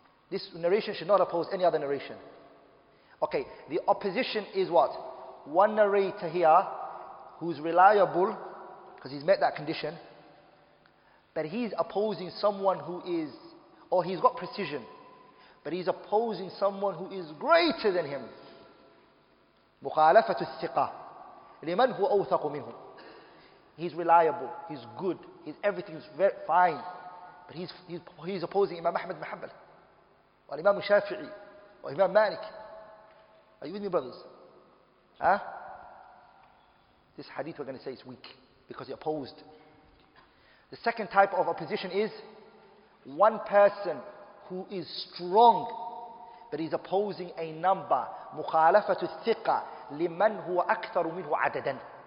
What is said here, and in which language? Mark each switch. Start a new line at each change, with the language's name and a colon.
English: This narration should not oppose any other narration. Okay, the opposition is what? One narrator here who's reliable because he's met that condition, but he's opposing someone who is, or he's got precision, but he's opposing someone who is greater than him.
Arabic: مخالفة الثقة لمن هو أوثق منه.
English: He's reliable, he's good, he's everything is very fine, but he's opposing Imam Ahmad bin Hanbal or Imam Shafi'i or Imam Malik. Are you with me, brothers? Huh? This hadith, we're going to say it's weak because it opposed. The second type of opposition is one person who is strong but he's opposing a number.
Arabic: مخالفة الثقة لمن هو أكثر منه عددا.